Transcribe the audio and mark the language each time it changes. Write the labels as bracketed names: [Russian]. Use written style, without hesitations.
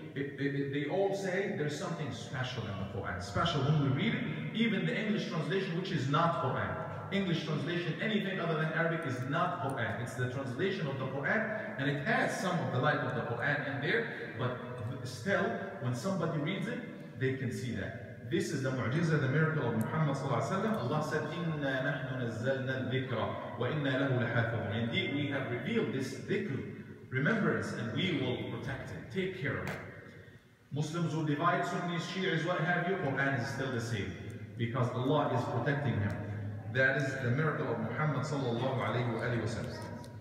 [English] They all say there's something special in the Qur'an, special when we read it, even the English translation, which is not Qur'an. English translation, anything other than Arabic, is not Qur'an. It's the translation of the Qur'an, and it has some of the light of the Qur'an in there, but still, when somebody reads it, they can see that. This is the mu'jiza, the miracle of Muhammad sallallahu alayhi wa sallam. Allah said, [Arabic] إِنَّا نَحْنُ نَزَّلْنَا الذِّكْرَ وَإِنَّا لَهُ لَحَافِظُونَ. [English] Indeed, we have revealed this dhikr, remembrance, and we will protect it, take care of it. Muslims who divide, Sunnis, Shi'is, what have you, Qur'an is still the same, because Allah is protecting him. That is the miracle of Muhammad sallallahu alayhi wa sallam.